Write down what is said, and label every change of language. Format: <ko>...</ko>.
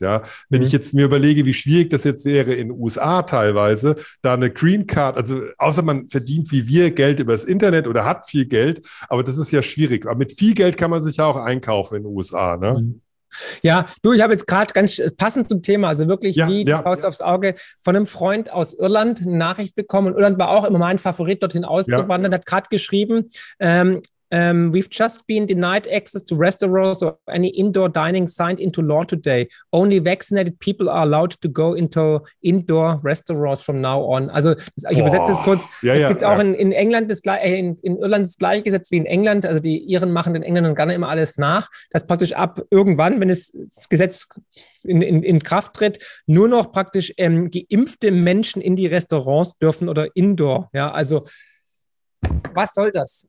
<de>Ja, wenn ich jetzt mir überlege, wie schwierig das jetzt wäre in den USA teilweise, da eine Green Card, also außer man verdient wie wir Geld über das Internet oder hat viel Geld, aber das ist ja schwierig. Aber mit viel Geld kann man sich ja auch einkaufen in den USA, ne? Ja, du, ich habe jetzt gerade ganz passend zum Thema, also wirklich aufs Auge, von einem Freund aus Irland eine Nachricht bekommen. Und Irland war auch immer mein Favorit, dorthin auszuwandern. Ja. Hat gerade geschrieben,</de> <en>we've just been denied access to restaurants or any indoor dining signed into law today. Only vaccinated people are allowed to go into indoor restaurants from now on.</en> <de>Also ich übersetze es kurz. In Irland das gleiche Gesetz wie in England. Also die Iren machen den Engländern gerne immer alles nach. Das praktisch ab irgendwann, wenn das Gesetz in Kraft tritt, nur noch praktisch geimpfte Menschen in die Restaurants dürfen oder indoor. Ja, also Was soll das?</de>